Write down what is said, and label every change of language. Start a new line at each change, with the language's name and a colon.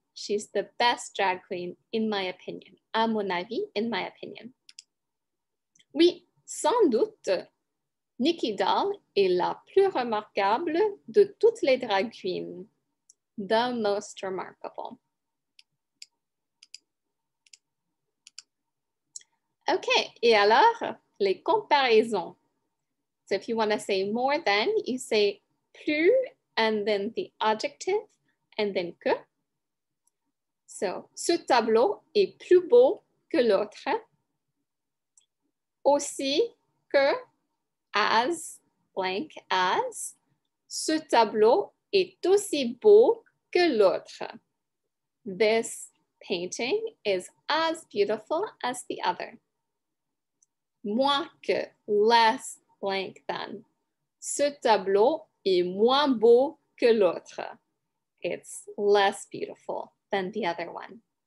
English: She's the best drag queen, in my opinion.
French: À mon avis,
English: in my opinion.
French: Oui, sans doute, Nikki Doll est la plus remarquable de toutes les drag queens.
English: The most remarkable.
French: OK, et alors, les comparaisons.
English: So if you want to say more than, you say plus and then the adjective and then que.
French: So, ce tableau est plus beau que l'autre. Aussi que, as, blank, as, ce tableau est aussi beau que l'autre.
English: This painting is as beautiful as the other.
French: Moins que, less, blank, than. Ce tableau est moins beau que l'autre.
English: It's less beautiful than the other one.